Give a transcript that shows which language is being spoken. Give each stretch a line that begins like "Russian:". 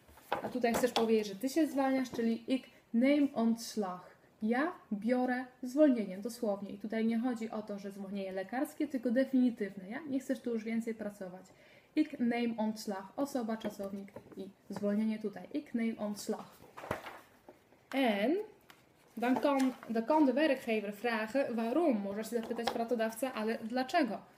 Polish: A tutaj chcesz powiedzieć, że ty się zwalniasz, czyli
Dutch: ik neem ontslag.
Polish: Ja biorę zwolnienie, dosłownie. I tutaj nie chodzi o to, że zwolnienie lekarskie, tylko definitywne. Ja nie chcesz tu już więcej pracować.
Dutch: Ik neem ontslag.
Polish: Osoba, czasownik i zwolnienie tutaj.
Dutch: Ik neem ontslag. En dan kan de werkgever vragen waarom.
Polish: Możesz się zapytać pracodawcę, ale dlaczego?